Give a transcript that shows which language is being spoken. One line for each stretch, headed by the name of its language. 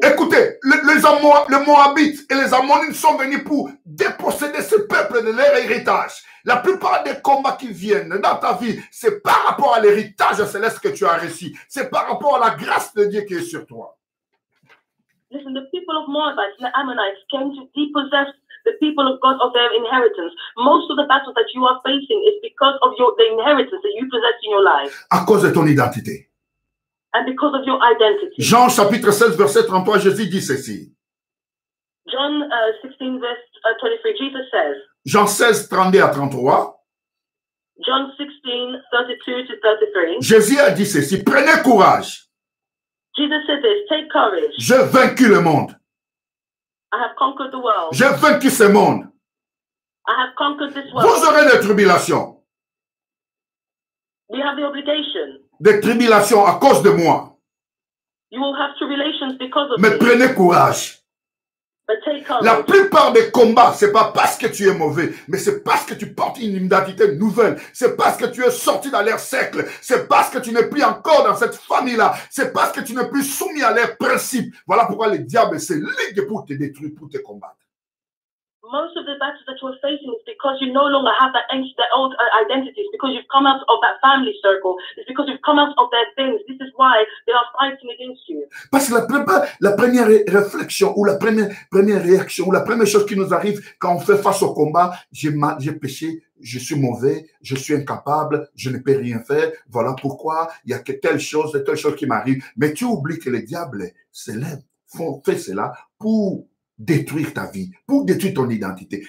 French: Écoutez, les Moabites et les Ammonites sont venus pour déposséder ce peuple de leur héritage. La plupart des combats qui viennent dans ta vie, c'est par rapport à l'héritage céleste que tu as reçu. C'est par rapport à la grâce de Dieu qui est sur toi.
English: Listen, the people of Moabites and the Ammonites came to depossess the people of God of their inheritance. Most of the battles that you are facing is because of the inheritance that you possess in your life.
French: À cause de ton identité.
English: And because of your identity.
French: Jean chapitre 16, verset 33, Jésus dit ceci.
English: John 16, verse 23, Jesus says.
French: Jean 16, 32 à 33.
English: John 16, 32 to 33.
French: Jésus a dit ceci, prenez courage.
English: Jesus said this, take courage.
French: J'ai vaincu le monde.
English: I have conquered the world.
French: J'ai vaincu ce monde.
English: I have conquered this world.
French: Vous aurez des tribulations.
English: You have the obligation.
French: Des tribulations à cause de moi.
English: You will have tribulations because of
French: Mais
English: me.
French: Prenez courage.
English: But take courage.
French: La plupart des combats, c'est pas parce que tu es mauvais, mais c'est parce que tu portes une identité nouvelle. C'est parce que tu es sorti dans leur cercle. C'est parce que tu n'es plus encore dans cette famille-là. C'est parce que tu n'es plus soumis à leurs principes. Voilà pourquoi le diable se ligue pour te détruire, pour te combattre.
English: Most of the battles that you're facing is because you no longer have that ancient, that old identity. It's because you've come out of that family circle. It's because you've come out of their things. This is why they are fighting against you.
French: Parce que la première réflexion ou la première réaction ou la première chose qui nous arrive quand on fait face au combat, j'ai péché. Je suis mauvais, je suis incapable, je ne peux rien faire. Voilà pourquoi il y a que telle chose qui m'arrive. Mais tu oublies que le diable s'élève, fait cela pour détruire ta vie, pour détruire ton identité.